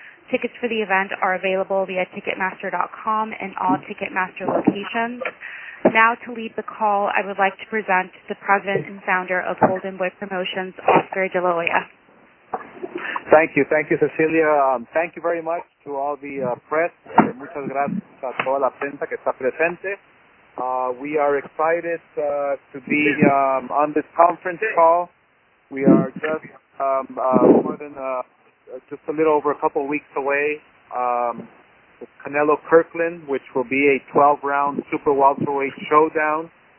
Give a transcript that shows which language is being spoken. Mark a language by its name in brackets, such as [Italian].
[English] Tickets for the event are available via Ticketmaster.com and all Ticketmaster locations. Now to lead the call, I would like to present the president and founder of Golden Boy Promotions, Oscar De La Hoya. Thank you. Thank you, Cecilia. Thank you very much to all the press. [Spanish] Muchas gracias a toda la prensa que está presente. [English] We are excited to be on this conference call. We are just a little over a couple weeks away. Canelo Kirkland, which will be a 12-round super welterweight showdown.